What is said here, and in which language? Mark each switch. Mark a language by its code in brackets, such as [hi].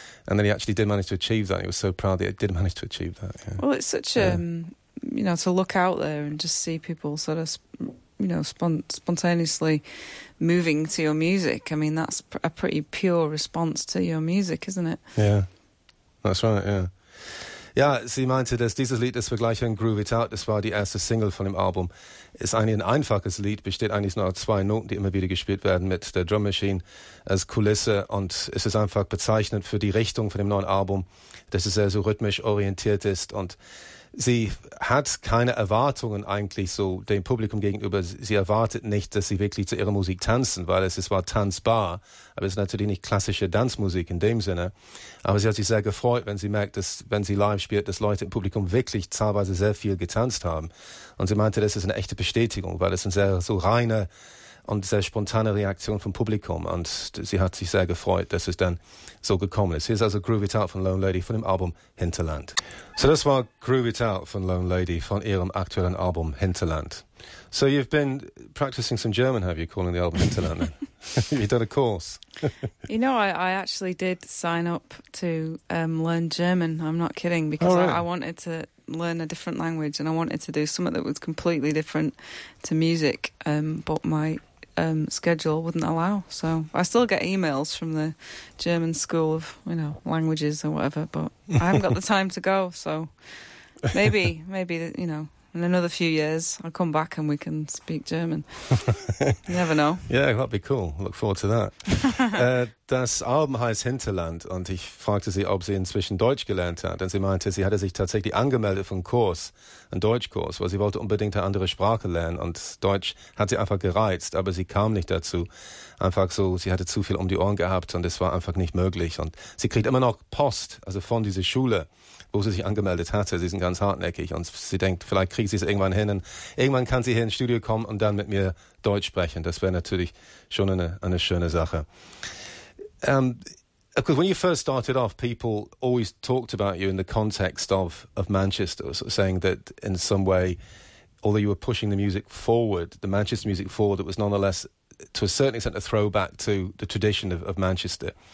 [en] And then he actually did manage to achieve that. He was so proud that he did manage to achieve that. Yeah. Well, it's such to look out there and just see people sort of... spontaneously moving to your music. I mean, that's a pretty pure response to your music, isn't it? Yeah, that's right, yeah. [de] Ja, sie meinte, dass dieses Lied, das wir gleich hören, Groove It Out, das war die erste Single von dem Album, ist eigentlich ein einfaches Lied, besteht eigentlich nur aus zwei Noten, die immer wieder gespielt werden mit der Drum Machine als Kulisse, und es ist einfach bezeichnend für die Richtung von dem neuen Album, dass es sehr so rhythmisch orientiert ist. Und sie hat keine Erwartungen eigentlich so dem Publikum gegenüber. Sie erwartet nicht, dass sie wirklich zu ihrer Musik tanzen, weil es war tanzbar, aber es ist natürlich nicht klassische Tanzmusik in dem Sinne. Aber sie hat sich sehr gefreut, wenn sie merkt, dass, wenn sie live spielt, dass Leute im Publikum wirklich teilweise sehr viel getanzt haben. Und sie meinte, das ist eine echte Bestätigung, weil es eine sehr so reine und sehr spontane Reaktion vom Publikum. Und sie hat sich sehr gefreut, dass es dann so gekommen ist. Hier ist also Groove It Out von Lone Lady von dem Album Hinterland. So das war Groove It Out von Lone Lady von ihrem aktuellen Album Hinterland. [en] So you've been practicing some German, have you, calling the album Hinterland? You've done a course. You know, I actually did sign up to learn German. I'm not kidding, because I wanted to learn a different language, and I wanted to do something that was completely different to music, but my schedule wouldn't allow. So I still get emails from the German school of, you know, languages or whatever, but I haven't got the time to go. So maybe, you know, in another few years I'll come back and we can speak German. You never know. Yeah, that'd be cool. Look forward to that. [de] Das Album heißt Hinterland, und ich fragte sie, ob sie inzwischen Deutsch gelernt hat. Und sie meinte, sie hatte sich tatsächlich angemeldet für einen Kurs, einen Deutschkurs, weil sie wollte unbedingt eine andere Sprache lernen. Und Deutsch hat sie einfach gereizt, aber sie kam nicht dazu. Einfach so, sie hatte zu viel um die Ohren gehabt und es war einfach nicht möglich. Und sie kriegt immer noch Post, also von dieser Schule, wo sie sich angemeldet hatte. Sie sind ganz hartnäckig und sie denkt, vielleicht kriegt sie es irgendwann hin. Und irgendwann kann sie hier ins Studio kommen und dann mit mir Deutsch sprechen. Das wäre natürlich schon eine schöne Sache. [en] Of course, when you first started off, people always talked about you in the context of Manchester, sort of saying that in some way, although you were pushing the music forward, the Manchester music forward, it was nonetheless, to a certain extent, a throwback to the tradition of Manchester.